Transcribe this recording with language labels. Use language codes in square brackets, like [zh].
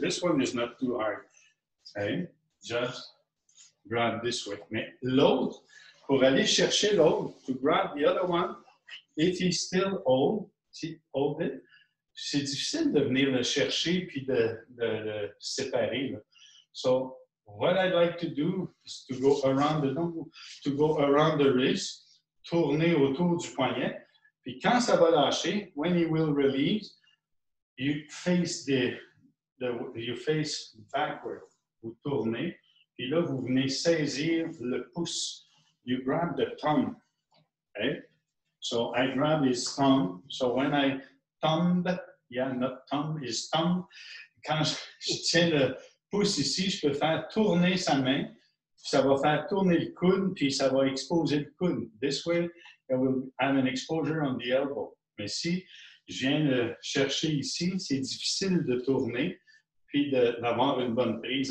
[en] This one is not too hard. Okay? Just grab this way. [fr] Mais l'autre, pour aller chercher l'autre, [en] to grab the other one, if he's still old, hold it. [fr] C'est difficile de venir le chercher puis de le séparer. Là. [en] So, what I'd like to do is to go around the wrist, [fr] tourner autour du poignet. Puis quand ça va lâcher, [en] when he will release, you face you face backward. [fr] Vous tournez. Puis là, vous venez saisir le pouce. [en] You grab the thumb. Okay? So, I grab his thumb. So, when I thumb, yeah, not thumb, his thumb. [fr] Quand je tiens le pouce ici, je peux faire tourner sa main. Ça va faire tourner le coude, puis ça va exposer le coude. [en] This way, I will have an exposure on the elbow. [fr] Mais si je viens le chercher ici, c'est difficile de tourner, puis d'avoir une bonne prise.